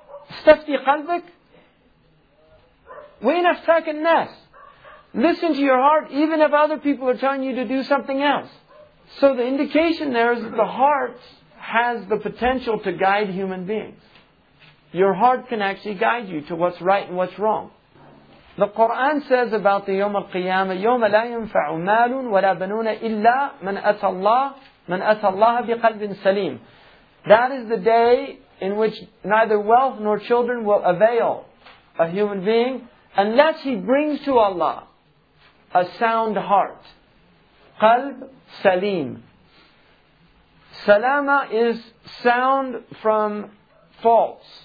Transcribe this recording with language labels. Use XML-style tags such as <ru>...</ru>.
<ar>استفتي قلبك وَإِنْ أَفْتَاكَ النَّاسِ,</ar> <en>listen to your heart, even if other people are telling you to do something else. So the indication there is that the heart has the potential to guide human beings. Your heart can actually guide you to what's right and what's wrong. The Quran says about the Yawm al-Qiyamah,</en> <ar>يَوْمَ لَا يَنْفَعُ مَالٌ وَلَا بَنُونَ إِلَّا مَنْ أَتَى اللَّهَ بِقَلْبٍ سَلِيمٍ.</ar> <en>That is the day in which neither wealth nor children will avail a human being unless he brings to Allah a sound heart.</en> <ar>قَلْب سَلِيم.</ar> <en>Salama is sound from faults.</en>